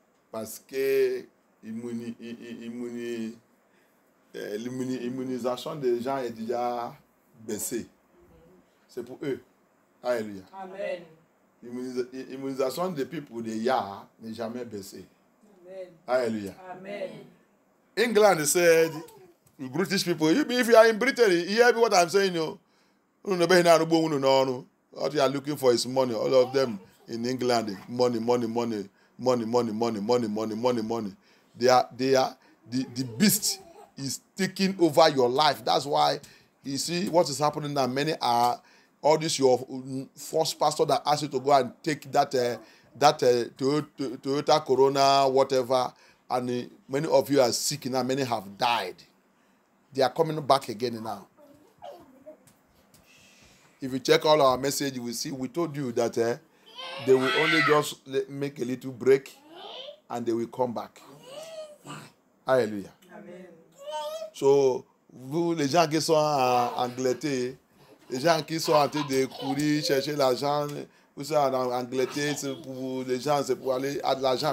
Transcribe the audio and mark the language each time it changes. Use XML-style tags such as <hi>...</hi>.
<fr>parce que l'immunisation des gens est déjà baissée. C'est pour eux. Alléluia. Amen. L'immunisation des peuples de Yah n'est jamais baissée. Amen. Alléluia. Amen.</fr> <en>England said, British people, if you are in Britain, you hear what I'm saying, what you are looking for is money. All of them in England, money. The beast is taking over your life. That's why you see what is happening now. Many are all this your false pastor that asked you to go and take that Toyota Corona, whatever. And many of you are sick now. Many have died. They are coming back again now. If you check all our message, we see we told you that they will only just make a little break and they will come back. Alléluia. Amen.</en> <fr>So, vous, les gens qui sont en Angleterre, les gens qui sont en train de courir, chercher l'argent, vous savez, en Angleterre, c'est pour les gens, c'est pour aller à l'argent.</fr>